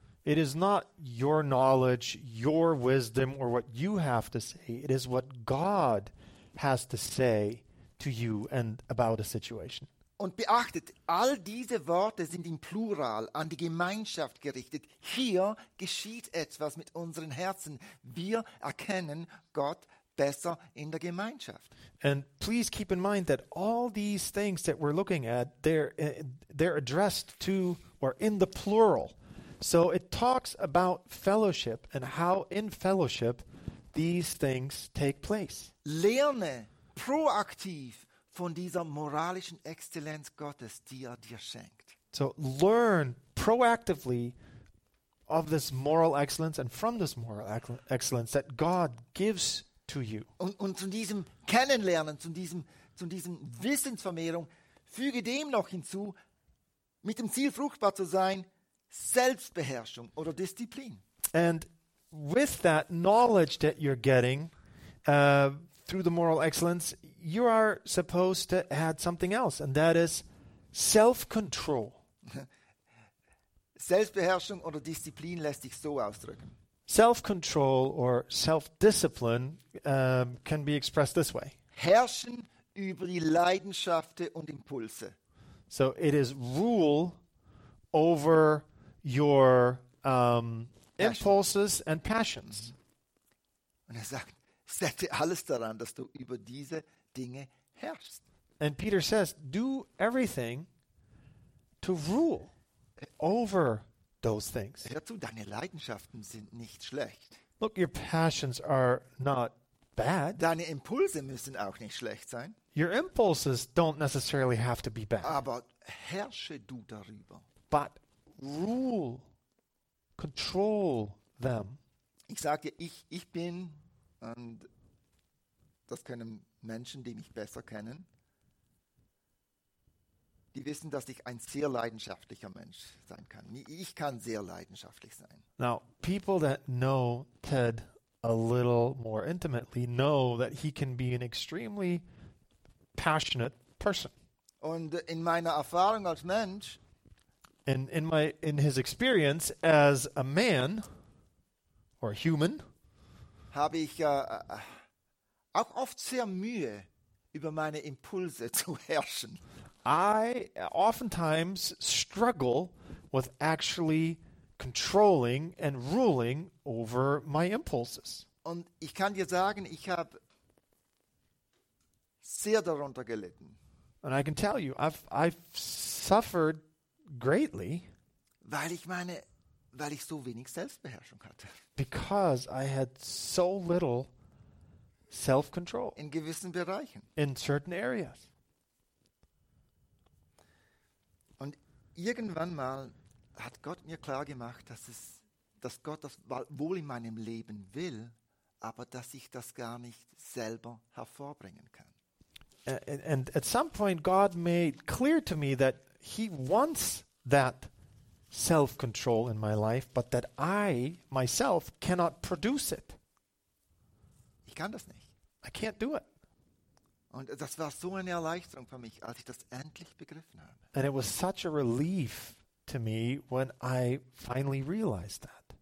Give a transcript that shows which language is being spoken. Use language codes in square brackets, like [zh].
[en] It is not your knowledge, your wisdom, or what you have to say. It is what God has to say to you and about a situation. [de] Und beachtet, all diese Worte sind im Plural an die Gemeinschaft gerichtet. Hier geschieht etwas mit unseren Herzen. Wir erkennen Gott besser in der Gemeinschaft. [en] And please keep in mind that all these things that we're looking at, they're addressed to or in the plural. So it talks about fellowship and how in fellowship these things take place. [de] Lerne proaktiv von dieser moralischen Exzellenz Gottes, die er dir schenkt. [en] So learn proactively of this moral excellence and from this moral excellence that God gives to you. [de] Und zu diesem Kennenlernen, zu diesem Wissensvermehrung, füge dem noch hinzu, mit dem Ziel fruchtbar zu sein, Selbstbeherrschung oder Disziplin. [en] And with that knowledge that you're getting through the moral excellence, you are supposed to add something else, and that is self-control. [de] Selbstbeherrschung oder Disziplin lässt sich so ausdrücken. [en] Self-control or self-discipline can be expressed this way. [de] Herrschen über die Leidenschaften und Impulse. [en] So it is rule over your impulses and passions. [de] Und er sagt, setze alles daran, dass du über diese Dinge herrschst. [en] And Peter says, do everything to rule over those things. [de] Hör zu, deine Leidenschaften sind nicht schlecht. [en] Look, your passions are not bad. [de] Deine Impulse müssen auch nicht schlecht sein. [en] Your impulses don't necessarily have to be bad. [de] Aber herrsche du darüber. [en] But rule, control them. [de] Ich sage dir, ich bin, und das können Menschen, die mich besser kennen, die wissen, dass ich ein sehr leidenschaftlicher Mensch sein kann. Ich kann sehr leidenschaftlich sein. [en] Now, people that know Ted a little more intimately know that he can be an extremely passionate person. [de] Und in meiner Erfahrung als Mensch, [en] In his experience as a man or human, [de] habe ich auch oft sehr Mühe, über meine Impulse zu herrschen. [en] I oftentimes struggle with actually controlling and ruling over my impulses. [de] Und ich kann dir sagen, ich habe sehr darunter gelitten. [en] And I can tell you, I've suffered greatly. [de] Weil ich so wenig Selbstbeherrschung hatte. [en] Because I had so little self-control. [de] In gewissen Bereichen. [en] In certain areas. [de] Und irgendwann mal hat Gott mir klar gemacht, dass Gott das wohl in meinem Leben will, aber dass ich das gar nicht selber hervorbringen kann. [en] And at some point, God made clear to me that he wants that self-control in my life, but that I, myself, cannot produce it. [de] Ich kann das nicht. [en] I can't do it. [de] Und das war so eine Erleichterung für mich, als ich das endlich begriffen habe. [en] And it was such a relief to me when I finally realized that.